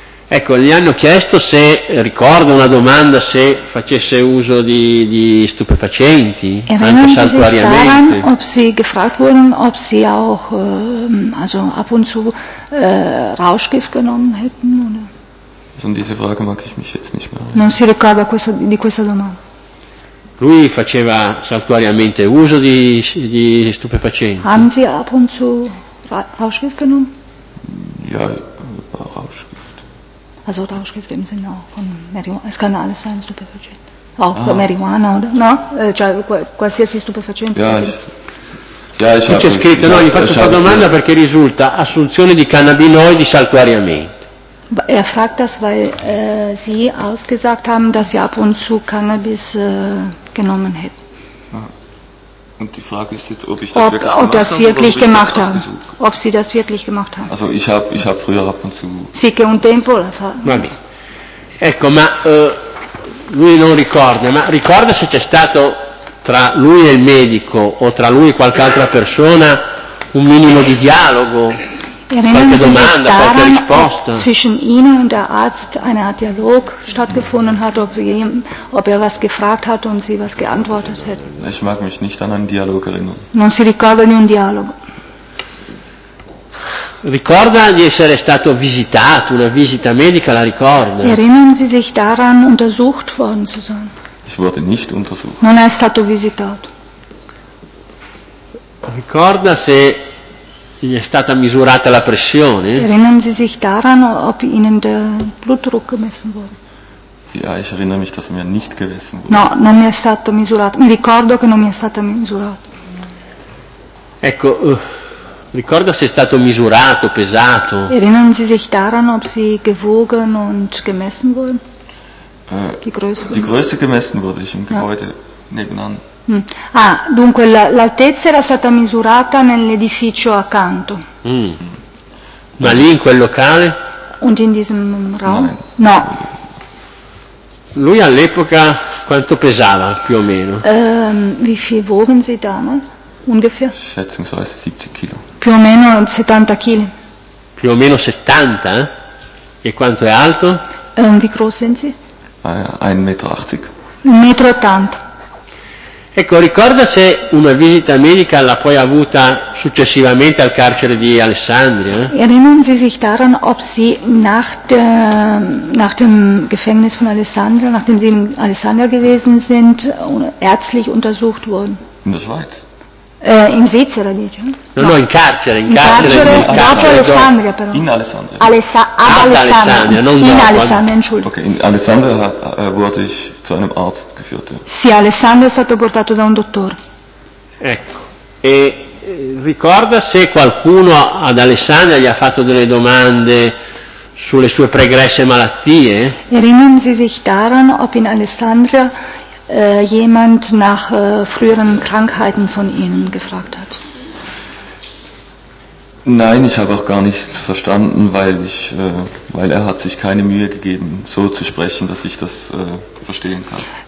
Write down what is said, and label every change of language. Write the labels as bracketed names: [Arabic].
[Italian] Ecco, gli hanno chiesto se, ricorda una domanda, se facesse uso di stupefacenti, anche saltuariamente. [German] Erinnern Sie sich daran, ob Sie gefragt wurden, ob Sie auch also ab und zu Rauschgift genommen hätten? Oder? Also, diese Frage mag ich mich jetzt nicht mehr. [Italian] Non si ricorda questa, di questa domanda. Lui faceva saltuariamente uso di stupefacenti. [German] Haben Sie ab und zu Rauschgift genommen? Ja, Rauschgift. Also Rauschgift im Sinne auch von Marihuana. Es kann alles sein, Stupefacient. Auch Marihuana, oder? [Italian] No? Qualsiasi Stupefacient. [German] Ja, [Italian] c'è scritto, no, gli faccio questa domanda perché risulta assunzione di cannabinoidi saltuariamente. [German] Er fragt das, weil Sie ausgesagt haben, dass Sie ab und zu Cannabis genommen hätten. Und die Frage ist jetzt, ob ich das wirklich gemacht habe. Ob das wirklich gemacht haben. Ob Sie das wirklich gemacht haben. Also ich hab früher ab und zu. [Italian] Sì, che un tempo l'ha fatto. Va bene. Ecco, ma lui non ricorda, ma ricorda se c'è stato tra lui e il medico o tra lui e qualche altra persona un minimo di dialogo, qualche domanda, qualche risposta. [German] Zwischen ihnen und der Arzt ein Dialog stattgefunden hat, ob er was gefragt hat und sie was geantwortet hat. Ich mag mich nicht an einen Dialog erinnern. [Italian] Non si ricorda di un dialogo. Ricorda di essere stato visitato, una visita medica la ricorda. [German] Erinnern Sie sich daran, untersucht worden zu sein? Ich wurde nicht untersucht. [Italian] Non è stato visitato. Ricorda se gli è stata misurata la pressione? [German] Erinnern Sie sich daran, ob Ihnen der Blutdruck gemessen wurde? Ja, ich erinnere mich, dass mir nicht gemessen wurde. [Italian] No, non mi è stato misurato. Mi ricordo che non mi è stato misurato. Ecco. Ricorda se è stato misurato, pesato. [German] Erinnern Sie sich daran, ob Sie gewogen und gemessen wurden? Die Größe. Die Größe gemessen wurde ich im Gebäude nebenan. [Italian] Ah, dunque l'altezza era stata misurata nell'edificio accanto. Ma lì in quel locale? [German] Und in diesem Raum? Nein. [Italian] No. Lui all'epoca quanto pesava più o meno? [German] Wie viel wogen Sie damals? Ungefähr? Schätzungsweise 70 Kilo. [Italian] Più o meno 70 Kilo. Più o meno 70? E quanto è alto? [German] Wie groß sind Sie? 1,80 Meter. 1,80 Meter. [Italian] Ecco, ricorda se una visita medica l'ha poi avuta successivamente al carcere di Alessandria? [German] Erinnern Sie sich daran, ob Sie nach dem Gefängnis von Alessandria, nachdem Sie in Alessandria gewesen sind, ärztlich untersucht wurden? In der Schweiz. [Italian] In Svizzera, dice? No, no, in carcere. [German] Alessandria wurde ich zu einem Arzt geführt. [Italian] Sì, Alessandria è stato portato da un dottore. Ecco, e ricorda se qualcuno ad Alessandria gli ha fatto delle domande sulle sue pregresse malattie? [German] Erinnern Sie sich daran, ob in Alessandria jemand nach früheren Krankheiten von Ihnen gefragt hat? Nein, ich habe auch gar nichts verstanden, weil er hat sich keine Mühe gegeben, so zu sprechen, dass ich das verstehen kann.